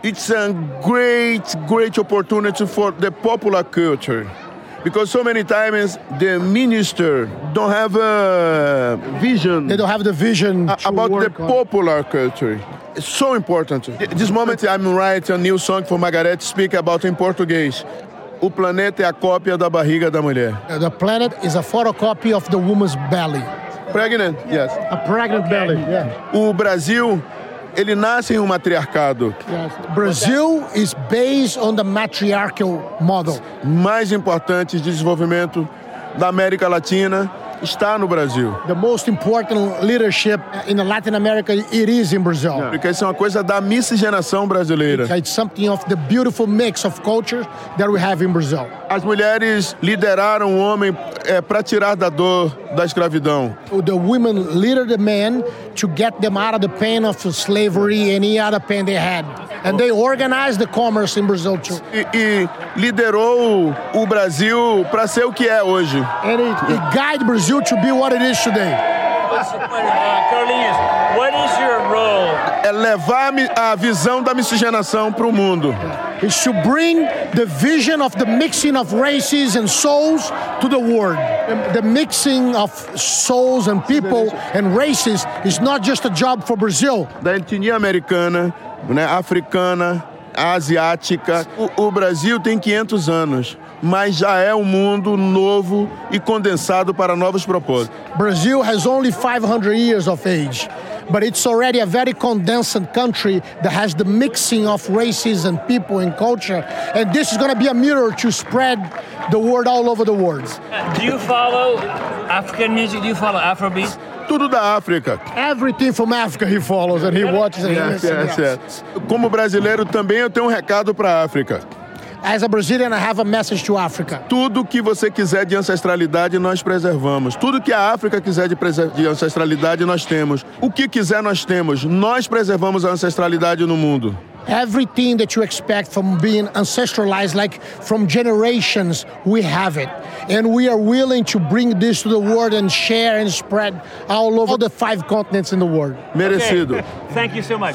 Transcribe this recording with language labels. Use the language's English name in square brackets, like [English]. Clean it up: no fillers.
[English] It's a great, great opportunity for the popular culture. Because so many times the minister don't have a vision. They don't have the vision about the popular culture. It's so important. This moment I'm writing a new song for Margareth, speak about in Portuguese. [Portuguese] O planeta é a cópia da barriga da mulher. [English] The planet is a photocopy of the woman's belly. Pregnant, yes. A pregnant belly, yeah. [Portuguese] O Brasil, ele nasce em matriarcado. [English] Yes. Brazil is based on the matriarchal model. [Portuguese] Mais importante desenvolvimento da América Latina está no Brasil. [English] The most important leadership in Latin America, it is in Brazil. Yeah. [Portuguese] Porque isso é uma coisa da miscigenação brasileira. [English] It's something of the beautiful mix of cultures that we have in Brazil. [Portuguese] As mulheres lideraram o homem para tirar da dor da escravidão. [English] The women led the men to get them out of the pain of slavery and any other pain they had. And they organized the commerce in Brazil too. [Portuguese] E liderou o Brasil para ser o que é hoje. [English] And it guided Brazil to be what it is today. Carlinhos, what is your role? [Portuguese] É levar a visão da miscigenação para o mundo. [English] It should bring the vision of the mixing of races and souls to the world. The mixing of souls and people and races is not just a job for Brazil. [Portuguese] Da etnia americana, né, africana, asiática. O Brasil tem 500 anos, mas já é um mundo novo e condensado para novos propósitos. [English] Brazil has only 500 years of age. But it's already a very condensed country that has the mixing of races and people and culture. And this is going to be a mirror to spread the word all over the world. Do you follow African music? Do you follow Afrobeat? [Portuguese] Tudo da África. [English] Everything from Africa he follows and he watches. [Portuguese] Yes. Como brasileiro, também eu tenho recado para a África. [English] As a Brazilian, I have a message to Africa. [Portuguese] Tudo que você quiser de ancestralidade, nós preservamos. Tudo que a África quiser de ancestralidade, nós temos. O que quiser, nós temos. Nós preservamos a ancestralidade no mundo. [English] Everything that you expect from being ancestralized, like from generations, we have it. And we are willing to bring this to the world and share and spread all over the five continents in the world. [Portuguese] Merecido. [English] Okay. Thank you so much.